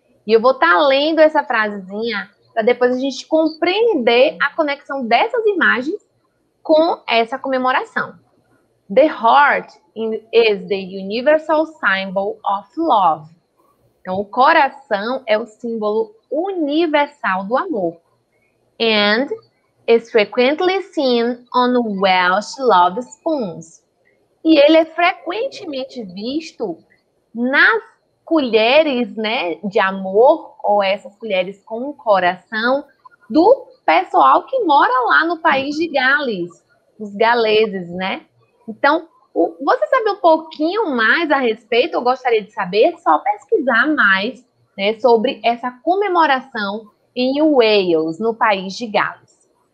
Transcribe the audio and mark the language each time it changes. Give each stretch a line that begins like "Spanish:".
Portuguese: E eu vou estar lendo essa frasezinha para depois a gente compreender a conexão dessas imagens com essa comemoração.
English: The heart is the universal symbol of love.
Portuguese: Então, o coração é o símbolo universal do amor.
English: And is frequently seen on Welsh love spoons.
Portuguese: E ele é frequentemente visto nas colheres, né, de amor, ou essas colheres com coração, do pessoal que mora lá no país de Gales, os galeses, né? Então, você sabe um pouquinho mais a respeito, eu gostaria de saber, só pesquisar mais, né, sobre essa comemoração em Wales, no país de Gales.